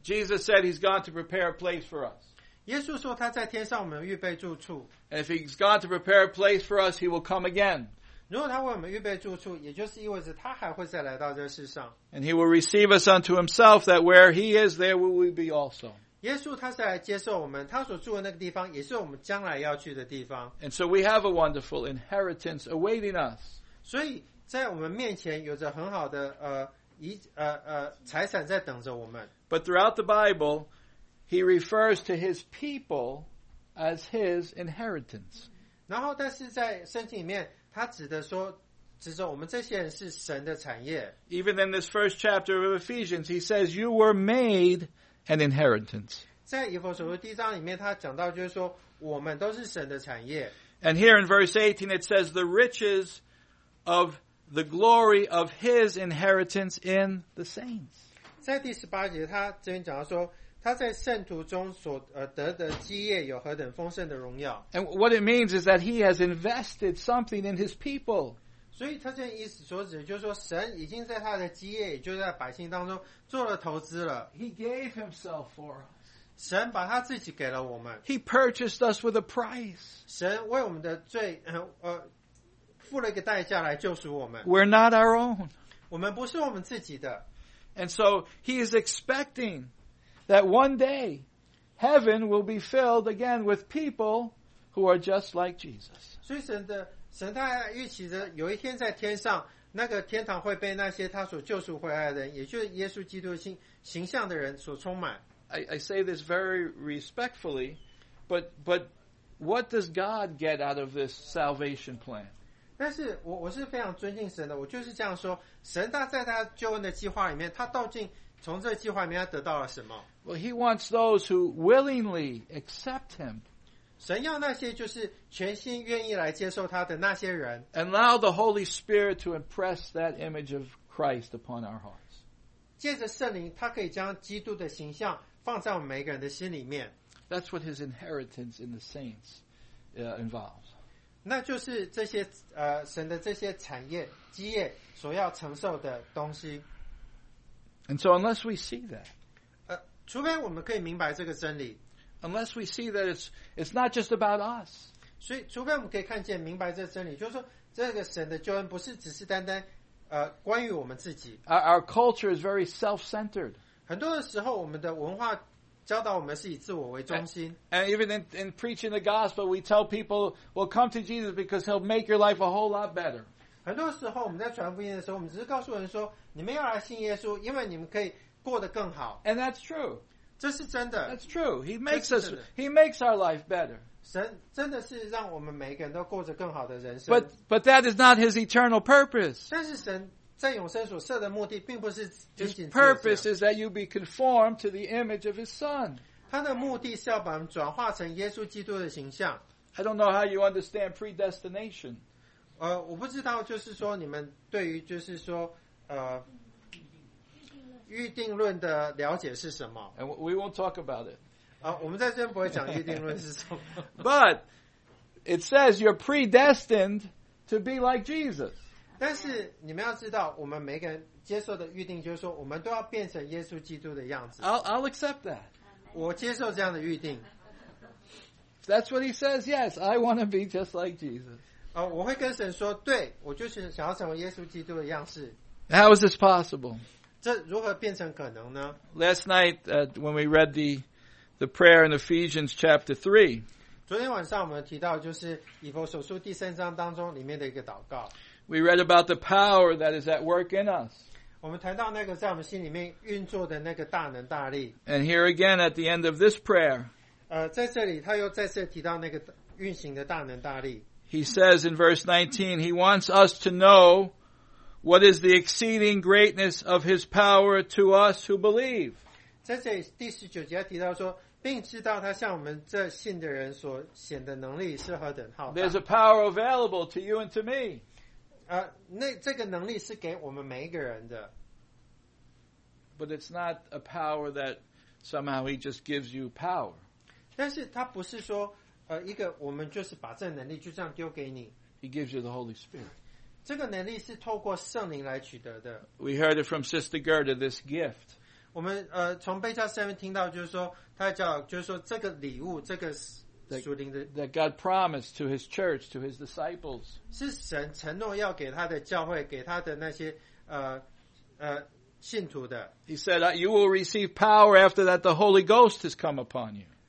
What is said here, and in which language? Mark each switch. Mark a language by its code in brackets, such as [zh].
[en] Jesus said he's gone to prepare a place for us. [zh] 耶稣说他在天上我们预备住处。 [en] And if he's gone to prepare a place for us, he will come again. [zh] 如果他为我们预备住处，也就是意味着他还会再来到这世上。 [en] And he will receive us unto himself, that where he is, there will we be also. [zh] 耶稣他是来接受我们，他所住的那个地方也是我们将来要去的地方。 [en] And so we have a wonderful inheritance awaiting us. [zh] 所以在我们面前有着很好的财产在等着我们。 [en] But throughout the Bible, he refers to his people as his inheritance. [zh] 然后但是在圣经里面，他指的说，指着我们这些人是神的产业。 [en] Even in this first chapter of Ephesians, he says, "You were made." An inheritance. [zh] 在以弗所书第一章里面，他讲到就是说，我们都是神的产业。 [en] And here in verse 18, it says the riches of the glory of His inheritance in the saints. [zh] 在第十八节，他这边讲到说，他在圣徒中所得的基业有何等丰盛的荣耀。 [en] And what it means is that He has invested something in His people. [zh] 所以他这意思所指就是说，神已经在他的基业，也就是在百姓当中做了投资了。 [en] He gave himself for us. [zh] 神把他自己给了我们。 [en] He purchased us with a price. [zh] 神为我们的罪付了一个代价来救赎我们。 [en] We're not our own. [zh] 我们不是我们自己的。 [en] And so he is expecting that one day heaven will be filled again with people who are just like Jesus. [zh] 所以神的神他预期着有一天在天上，那个天堂会被那些他所救赎回来的人，也就是耶稣基督形象的人所充满。 [en] I say this very respectfully, but what does God get out of this salvation plan? [zh] 但是我是非常尊敬神的，我就是这样说，神他在他救恩的计划里面，他到底从这计划里面他得到了什么？ [en] Well, he wants those who willingly accept him. [zh] 神要那些就是全心愿意来接受他的那些人。 [en] And allow the Holy Spirit to impress that image of Christ upon our hearts. [zh] 借着圣灵，他可以将基督的形象放在我们每个人的心里面。 [en] That's what his inheritance in the saints involves. [zh] 那就是这些神的这些产业基业所要承受的东西。 [en] And so unless we see that, [zh] 除非我们可以明白这个真理。 [en] Unless we see that it's not just about us. [zh] 所以除非我们可以看见明白这真理，就是说这个神的救恩不是只是单单关于我们自己。 [en] Our culture is very self-centered. [zh] 很多的时候我们的文化教导我们是以自我为中心。 [en] And even in preaching the gospel, we tell people, well, come to Jesus because he'll make your life a whole lot better. [zh] 很多时候我们在传福音的时候，我们只是告诉人说，你们要来信耶稣，因为你们可以过得更好。 [en] And that's true. [zh] 这是真的。 [en] That's true. He makes our life better. [zh] 神真的是让我们每个人都过着更好的人生。 [en] But that is not his eternal purpose. [zh] 但是神在永生所设的目的并不是仅仅这样。 [en] His purpose is that you be conformed to the image of his son. [zh] 他的目的是要把我们转化成耶稣基督的形象。 [en] I don't know how you understand predestination. [zh] 我不知道就是说你们对于就是说预定论的了解是什么？ [en] And we won't talk about it. [zh] 我们在这边不会讲预定论是什么。 [en] But it says you're predestined to be like Jesus. [zh] 但是你们要知道，我们每个人接受的预定就是说，我们都要变成耶稣基督的样子。 [en] I'll accept that. [zh] 我接受这样的预定。 [en] That's what he says. Yes, I want to be just like Jesus. [zh] 我会跟神说，对，我就是想要成为耶稣基督的样式。 [en] How is this possible? [zh] 这如何变成可能呢？ [en] Last night, when we read the prayer in Ephesians chapter 3, [zh] 昨天晚上我们提到就是以弗所书第三章当中里面的一个祷告。 [en] We read about the power that is at work in us. [zh] 我们谈到那个在我们心里面运作的那个大能大力。 [en] And here again at the end of this prayer, [zh] 在这里他又再次提到那个运行的大能大力。 [en] He says in verse 19, he wants us to know,What is the exceeding greatness of his power to us who believe? [zh] 在这里第十九节提到说，并知道他向我们这信的人所显的能力是何等浩大。 [en] There's a power available to you and to me. [zh] 那这个能力是给我们每一个人的。 [en] But it's not a power that somehow he just gives you power. [zh] 但是他不是说, 一个我们就是把这能力就这样丢给你。 [en] He gives you the Holy Spirit. [zh] 这个能力是透过圣灵来取得的。 [en] We heard it from Sister Gerda, this gift. [zh] 我们, 从贝加斯那边听到就是说, 他叫就是说这个礼物, 这个属灵的, [en] that God promised to his church, to his disciples. [zh] 是神承诺要给他的教会, 给他的那些, 信徒的。 [en] He said, you will receive power after that the Holy Ghost has come upon you.